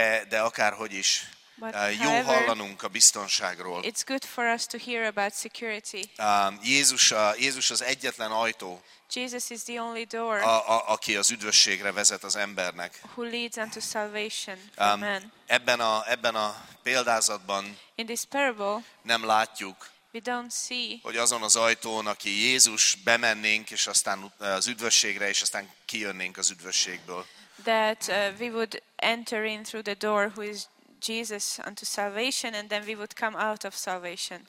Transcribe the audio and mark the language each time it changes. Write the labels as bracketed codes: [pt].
[hu] De akárhogy is, jó hallanunk a biztonságról. [en] It's good for us to hear about security. [hu] Jézus az egyetlen ajtó. [en] Jesus is the only door. [hu] Aki az üdvösségre vezet az embernek. [en] Who leads unto salvation. [hu] Amen. Ebben a példázatban [en] in this parable, [hu] nem látjuk, [en] we don't see, [hu] hogy azon az ajtón, aki Jézus, bemennénk és aztán az üdvösségre és aztán kijönnénk az üdvösségből. [en] That we would enter in through the door who is Jesus unto salvation and then we would come out of salvation.